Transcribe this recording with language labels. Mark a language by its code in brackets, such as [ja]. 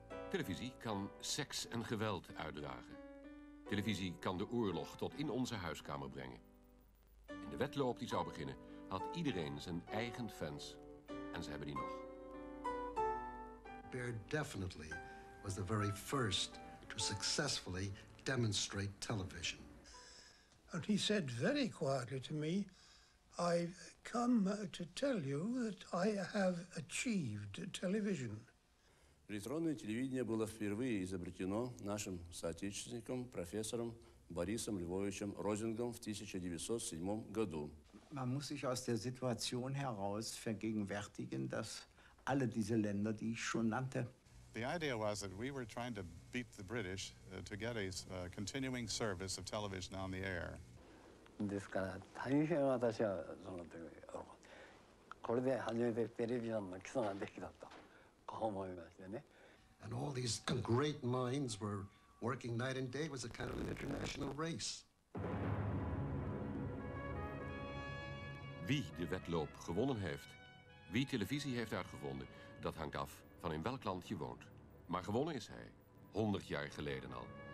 [nl] Televisie kan seks en geweld uitdragen. Televisie kan de oorlog tot in onze huiskamer brengen. In de wedloop die zou beginnen, had iedereen zijn eigen fans. En ze hebben die nog. [en] Bear definitely was the very first to successfully demonstrate television. And he said very quietly to me, I come to tell you that I have achieved television. [ru] Электронное телевидение было впервые изобретено нашим соотечественником, профессором Борисом Львовичем Розингом в 1907 году. [de] Man muss sich aus der Situation heraus vergegenwärtigen, dass alle diese Länder, die ich schon nannte, [en] the idea was that we were trying to beat the British to get a continuing service of television on the air. [ja] ですから大変私はそのこれで初めてテレビジョンの基礎ができたとこう思いましてね。 [en] And all these great minds were working night and day was a kind of an international race. [nl] Wie de wedloop gewonnen heeft, wie televisie heeft uitgevonden, dat hangt af van in welk land je woont. Maar gewonnen is hij, 100 jaar geleden al.